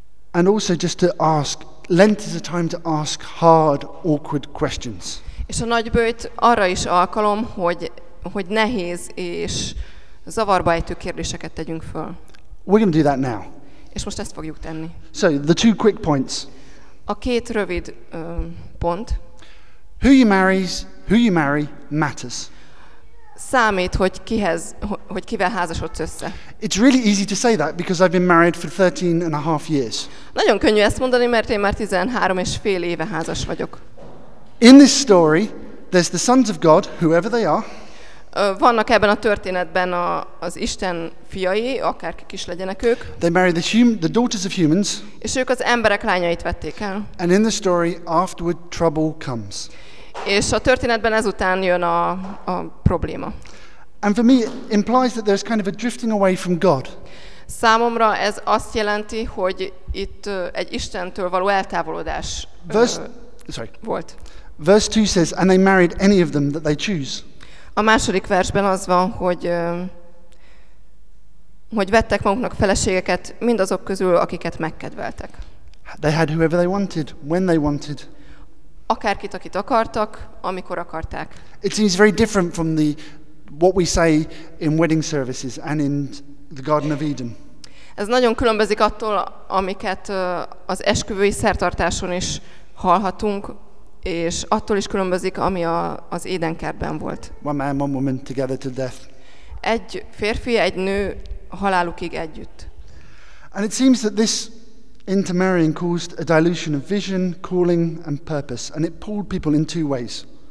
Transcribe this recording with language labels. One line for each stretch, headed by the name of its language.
English: And also just to ask, Lent is a time to ask hard, awkward questions.
Hungarian: És a nagyböjt arra is alkalom, hogy nehéz és zavarba ejtő kérdéseket tegyünk föl.
English: We're going to do that now.
Hungarian: És most ezt fogjuk tenni.
English: So, the two quick points.
Hungarian: A két rövid pont.
English: Who you marry matters.
Hungarian: Számít, hogy kivel házasodsz össze.
English: It's really easy to say that because I've been married for 13 and a half years.
Hungarian: Nagyon könnyű ezt mondani, mert én már 13 és fél éve házas vagyok.
English: In this story, there's the sons of God, whoever they are.
Hungarian: Vannak ebben a történetben az Isten fiai, akárkik is legyenek ők.
English: They marry the daughters of humans.
Hungarian: És ők az emberek lányait vették el.
English: And in the story, afterward trouble comes.
Hungarian: És a történetben ezután jön a probléma.
English: And for me, it implies that there's kind of a drifting away from God.
Hungarian: Számomra ez azt jelenti, hogy itt egy Istentől való eltávolodás volt.
English: Verse 2 says, and they married any of them that they choose.
Hungarian: A második versben az van, hogy vettek maguknak feleségeket mindazok közül, akiket megkedveltek.
English: They had whoever they wanted, when they wanted.
Hungarian: Akárkit, akit akartak, amikor akarták.
English: It seems very different from what we say in wedding services and in the Garden of Eden.
Hungarian: Ez nagyon különbözik attól, amiket az esküvői szertartáson is hallhatunk, és attól is különbözik, ami az Édenkertben volt.
English: One man, one woman together to death.
Hungarian: Egy férfi, egy nő halálukig együtt.
English: And it seems that this intermarrying caused a dilution of vision, calling and purpose, and it pulled people in two ways.